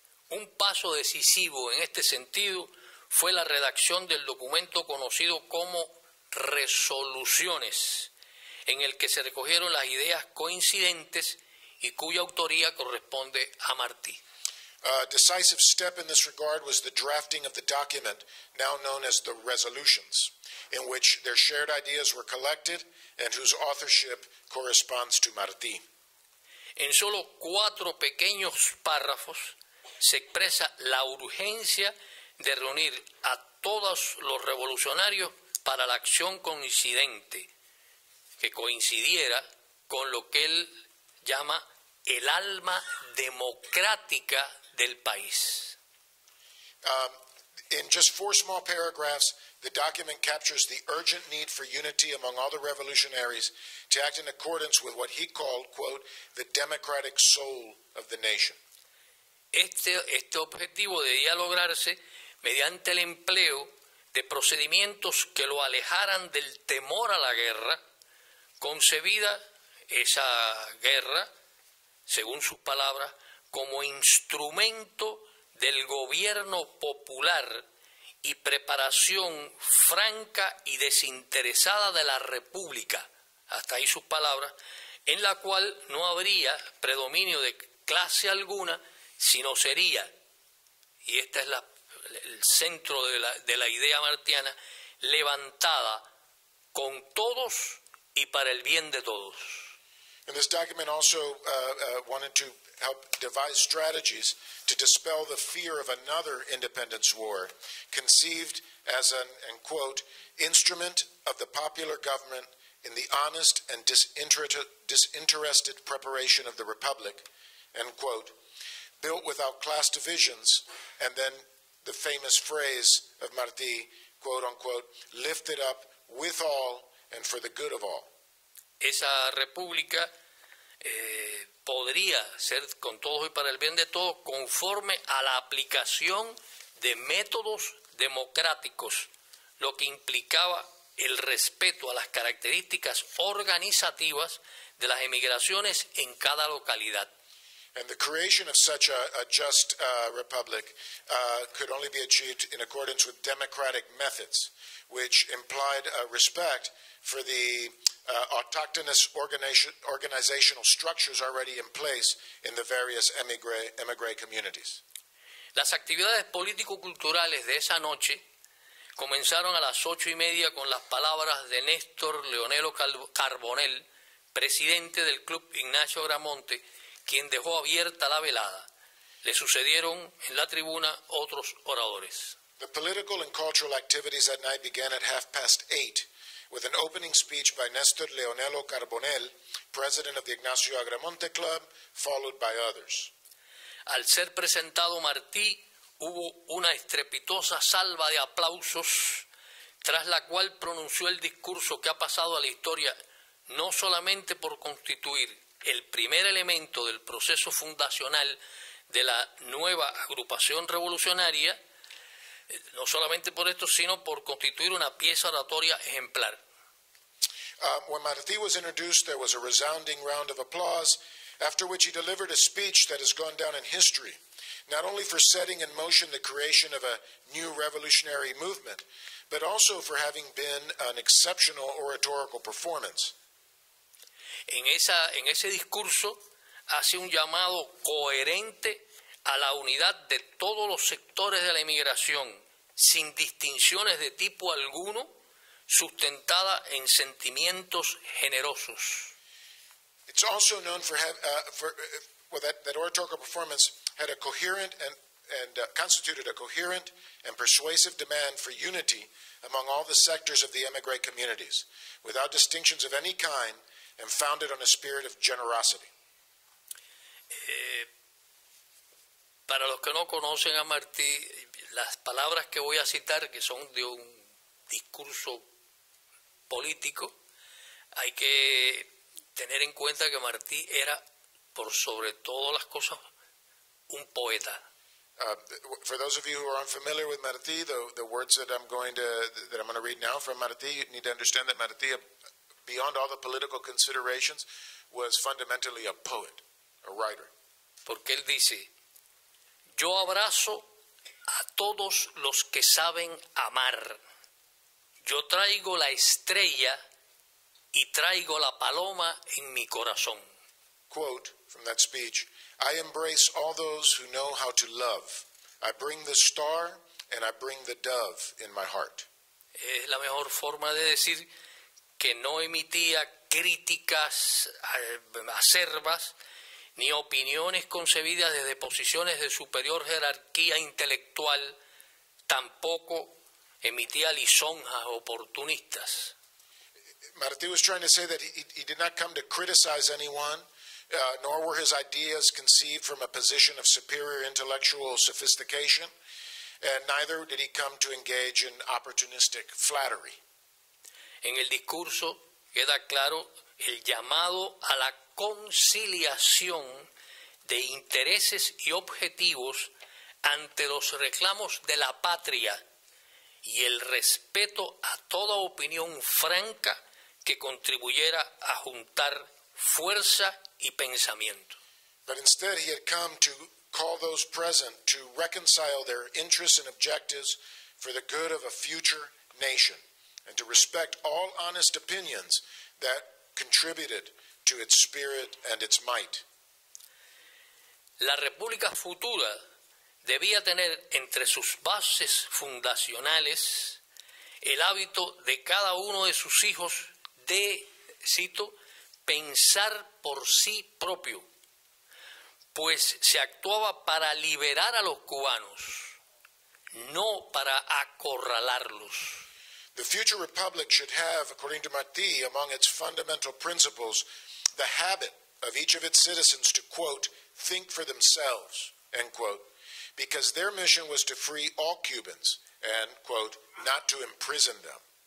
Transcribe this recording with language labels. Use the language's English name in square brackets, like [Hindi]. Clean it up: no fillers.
[Spanish] Un paso decisivo en este sentido fue la redacción del documento conocido como Resoluciones, en el que se recogieron las ideas coincidentes y cuya autoría corresponde a Martí. [English] A decisive step in this regard was the drafting of the document, now known as the resolutions, in which their shared ideas were collected and whose authorship corresponds to Martí. [Spanish] En solo cuatro pequeños párrafos se expresa la urgencia de reunir a todos los revolucionarios para la acción coincidente, que coincidiera con lo que él llama el alma democrática del país. [English] In just four small paragraphs, the document captures the urgent need for unity among all the revolutionaries to act in accordance with what he called, quote, the democratic soul of the nation. [Spanish] Este objetivo debía lograrse mediante el empleo de procedimientos que lo alejaran del temor a la guerra, concebida esa guerra, según sus palabras, como instrumento del gobierno popular y preparación franca y desinteresada de la República, hasta ahí sus palabras, en la cual no habría predominio de clase alguna, sino sería, y este es el centro de la idea martiana, levantada con todos y para el bien de todos. [English] In this document also wanted to help devise strategies to dispel the fear of another independence war, conceived as an, and quote, instrument of the popular government in the honest and disinterested preparation of the republic, end quote, built without class divisions, and then the famous phrase of Martí, quote unquote, lifted up with all and for the good of all. [Spanish] Esa república podría ser con todos y para el bien de todos, conforme a la aplicación de métodos democráticos, lo que implicaba el respeto a las características organizativas de las emigraciones en cada localidad. [English] And the creation of such a just republic could only be achieved in accordance with democratic methods, which implied a respect for the autochthonous organizational structures already in place in the various emigre communities. [Spanish] Las actividades político-culturales de esa noche comenzaron a las 8:30 con las palabras de Néstor Leonelo Carbonell, presidente del Club Ignacio Gramonte, quien dejó abierta la velada. Le sucedieron en la tribuna otros oradores. [English] The political and cultural activities that night began at 8:30 with an opening speech by Néstor Leonelo Carbonell, president of the Ignacio Agramonte Club, followed by others. [Spanish] Al ser presentado Martí, hubo una estrepitosa salva de aplausos, tras la cual pronunció el discurso que ha pasado a la historia no solamente por constituir el primer elemento del proceso fundacional de la nueva agrupación revolucionaria, no solamente por esto, sino por constituir una pieza oratoria ejemplar. [English] When Martí was introduced, there was a resounding round of applause, after which he delivered a speech that has gone down in history, not only for setting in motion the creation of a new revolutionary movement, but also for having been an exceptional oratorical performance. [Spanish] En ese discurso hace un llamado coherente a la unidad de todos los sectores de la emigración, sin distinciones de tipo alguno, sustentada en sentimientos generosos. [English] It's also known that oratorical performance had a coherent constituted a coherent and persuasive demand for unity among all the sectors of the emigre communities, without distinctions of any kind, and founded on a spirit of generosity. [Spanish] Para los que no conocen a Martí, las palabras que voy a citar, que son de un discurso político, hay que tener en cuenta que Martí era, por sobre todas las cosas, un poeta. [English] For those of you who are unfamiliar with Martí, the words that I'm going to read now from Martí, you need to understand that Martí, beyond all the political considerations, was fundamentally a poet, a writer. [Spanish] Porque él dice: yo abrazo a todos los que saben amar. Yo traigo la estrella y traigo la paloma en mi corazón. [English] quote from that speech, I embrace all those who know how to love. I bring the star and I bring the dove in my heart. [Spanish] Es la mejor forma de decir que no emitía críticas acerbas ni opiniones concebidas desde posiciones de superior jerarquía intelectual, tampoco emitía lisonjas oportunistas. [English] Martí was trying to say that he did not come to criticize anyone, nor were his ideas conceived from a position of superior intellectual sophistication, and neither did he come to engage in opportunistic flattery. [Spanish] En el discurso queda claro el llamado a la conciliación de intereses y objetivos ante los reclamos de la patria y el respeto a toda opinión franca que contribuyera a juntar fuerza y pensamiento. [English] But instead he had come to call those present to reconcile their interests and objectives for the good of a future nation and to respect all honest opinions that contributed to its spirit and its might. [Spanish] La República Futura debía tener entre sus bases fundacionales el hábito de cada uno de sus hijos de, cito, pensar por sí propio, pues se actuaba para liberar a los cubanos, no para acorralarlos. [English] The future republic should have, according to Martí, among its fundamental principles, the habit of each of its citizens to, quote, think for themselves, end quote, because their mission was to free all Cubans and, quote, not to imprison them.